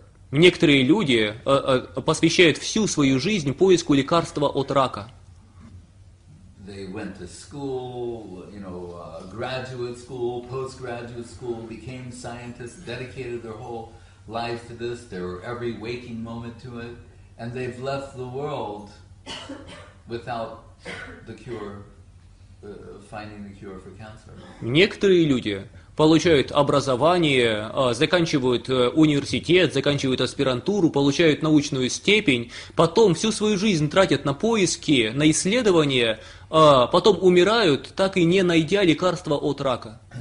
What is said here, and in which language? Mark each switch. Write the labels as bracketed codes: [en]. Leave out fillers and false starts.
[ru] Некоторые люди посвящают всю свою жизнь поиску лекарства от рака. [en] They went to school, you know, graduate school, postgraduate school, became scientists, dedicated their whole life to this, their every waking moment to it, and they've left the world without the cure, finding the cure for cancer. [ru] Некоторые люди получают образование, заканчивают университет, заканчивают аспирантуру, получают научную степень, потом всю свою жизнь тратят на поиски, на исследования, потом умирают, так и не найдя лекарства от рака.